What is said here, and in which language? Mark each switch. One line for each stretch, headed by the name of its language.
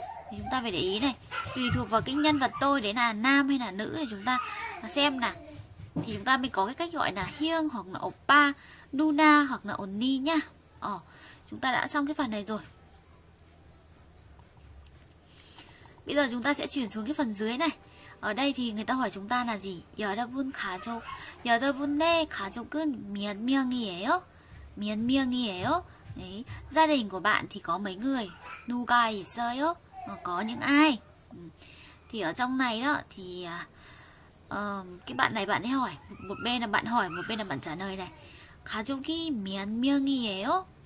Vietnamese: Thì chúng ta phải để ý này, tùy thuộc vào cái nhân vật tôi đấy là nam hay là nữ thì chúng ta xem nào. Thì chúng ta mới có cái cách gọi là hyung hoặc là oppa, nuna hoặc là onni nhá. Ờ, chúng ta đã xong cái phần này rồi. Bây giờ chúng ta sẽ chuyển xuống cái phần dưới này. Ở đây thì người ta hỏi chúng ta là gì?
Korean: 여러분 가족, 여러분의 가족은 몇 명이에요? 몇 명이에요?
Vietnamese: Đấy, gia đình của bạn thì có mấy người?
Korean: 누가 있어요?
Vietnamese: Có những ai? Thì ở trong này đó thì cái bạn này bạn ấy hỏi, một bên là bạn hỏi, một bên là bạn trả lời này.
Korean: 가족이 몇 명이에요?